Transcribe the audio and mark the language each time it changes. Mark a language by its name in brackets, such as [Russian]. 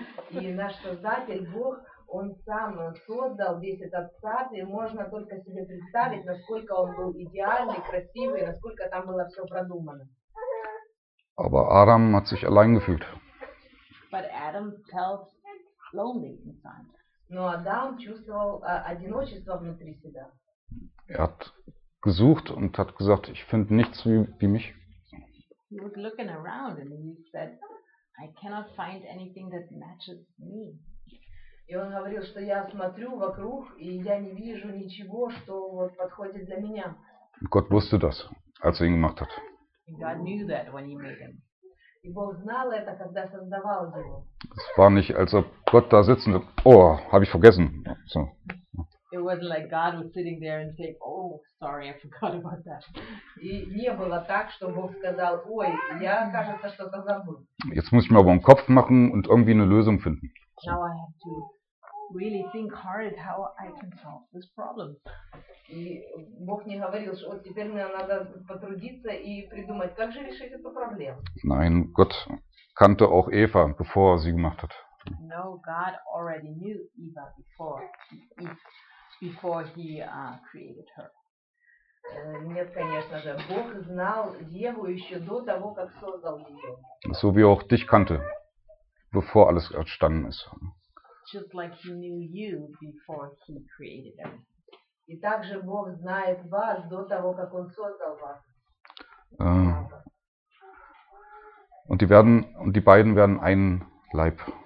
[Russian] И наш создатель Бог, он сам создал весь этот сад, и можно только себе представить, насколько он был идеальный, красивый, насколько там было все продумано. [German] Aber Adam hat sich allein gefühlt. [English] But Adam felt lonely inside. [Russian] Но Адам чувствовал одиночество внутри себя. [German] Er hat gesucht und hat gesagt, ich finde nichts wie mich. [English] He was looking around and he said, I cannot find anything that matches me. [Russian] И он говорил, что я смотрю вокруг и я не вижу ничего, что вот подходит для меня. [German] Und Gott wusste das, als er ihn gemacht hat. [English] And God knew that when he made him. [Russian] И Бог знал это, когда создавал его. [German] Es war nicht, als ob Gott da sitzen würde. Oh, habe ich vergessen. So. [English] It wasn't like God was sitting there and saying, oh, sorry, I forgot about that. [Russian] И не было так, что Бог сказал, ой, я, кажется, что-то забыл. [German] Jetzt muss ich mir aber einen Kopf machen und irgendwie eine Lösung finden. So. [English] Now I have to really think hard how I can solve this problem. [Russian] И Бог не говорил, что вот теперь мне надо потрудиться и придумать, как же решить эту проблему. [German] Nein, Gott kannte auch Eva, bevor sie gemacht hat. [English] No, God already knew Eva before he created her. [Russian] Нет, конечно же, Бог знал Еву еще до того, как создал ее. [German] So wie auch dich kannte, bevor alles entstanden ist. [English] Just like he knew you before he created them. [Russian] И также Бог знает вас до того, как он создал вас. [German] Und die werden und die beiden werden ein Leib.